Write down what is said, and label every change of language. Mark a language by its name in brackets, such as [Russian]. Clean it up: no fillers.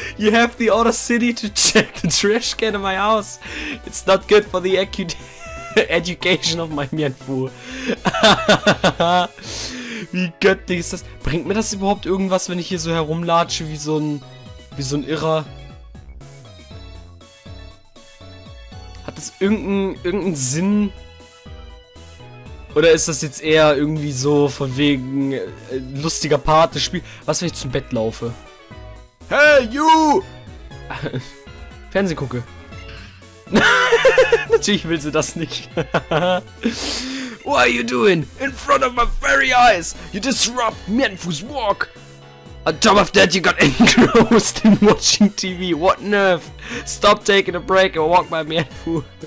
[English] You have the Outer City to check the trash can in my house. It's not good for the education of my Mianfu. [German] Wie göttlich ist das? Bringt mir das überhaupt irgendwas, wenn ich hier so herumlatsche wie so ein Irrer? Hat das irgendeinen Sinn? Oder ist das jetzt eher irgendwie so von wegen lustiger Part des Spiels? Was, wenn ich zum Bett laufe? [English] Hey, you! [German] Fernsehen gucke. Natürlich will sie das nicht. [English] What are you doing? In front of my very eyes! You disrupt Mianfu's walk! On top of that, you got engrossed in watching TV. What nerve! Stop taking a break and walk by Mianfu.